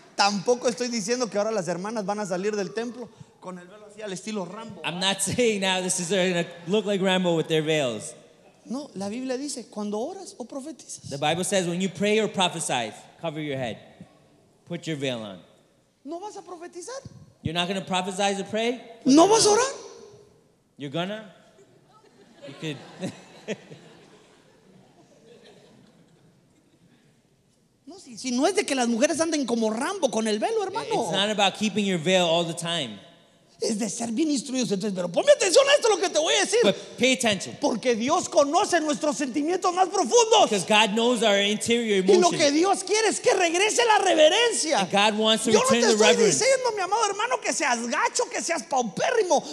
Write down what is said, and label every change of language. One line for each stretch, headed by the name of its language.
Spanish: Tampoco estoy diciendo que ahora las hermanas van a salir del templo con el velo así al estilo Rambo.
English: I'm not saying now the sisters are going to look like Rambo with their veils.
Spanish: No, la Biblia dice, cuando oras o profetizas.
English: The Bible says when you pray or prophesy, cover your head. Put your veil on.
Spanish: ¿No vas a profetizar?
English: You're not going to prophesy or pray?
Spanish: ¿No vas a orar?
English: You're going to? You could...
Spanish: Si no es de que las mujeres anden como Rambo con el velo, hermano.
English: It's not about keeping your veil all the time.
Spanish: Es de ser bien instruidos. Entonces, pero ponme atención a esto lo que te voy a decir.
English: But pay attention.
Spanish: Porque Dios conoce nuestros sentimientos más profundos.
English: Because God knows our interior emotions.
Spanish: Y lo que Dios quiere es que regrese la reverencia.
English: And God wants to return the reverence.
Spanish: Yo no te estoy diciendo, mi amado hermano, que seas gacho, que seas paupérrimo.